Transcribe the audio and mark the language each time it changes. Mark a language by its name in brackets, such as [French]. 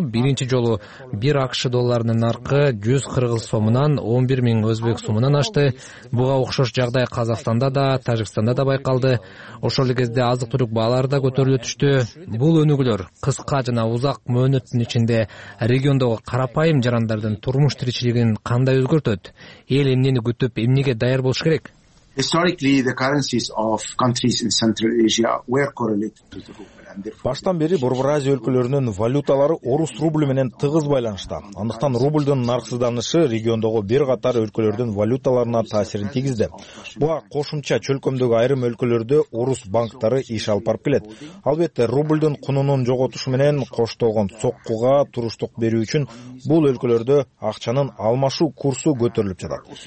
[Kyrgyz] Биринчи жолу 1 АКШ долларынын наркы 100 кыргыз сомунан 11 000 өзбек сомунан ашты. Буга окшош жагдай Казакстанда да, Тажикстанда да байкалды. Ошол эле кезде азык түлүк баалары да көтөрүлө түштү. Бул өнүгүүлөр кыска жана узак мөөнөттүн ичинде региондогу карапайым жарандардын турмуш тиричилигин кандай өзгөртөт? Эл эмнени күтүп, эмнеге даяр болуш керек? [English] Historically, the currencies of countries in Central Asia were correlated to the ruble. [Kyrgyz] Баштан бери Борбор Азия өлкөлөрүнүн валюталары орус рублу менен тыгыз байланышта. Андыктан рублдун нарксызданышы региондогу бир катар өлкөлөрдүн валюталарына таасирин тийгизди. Буга кошумча чөлкөмдөгү айрым өлкөлөрдө орус банктары иш алып барып келет. Албетте, рублдун кунунун жоготушу менен коштолгон соккуга туруштук берүү үчүн бул өлкөлөрдө акчанын алмашуу курсу көтөрүлүп жатат.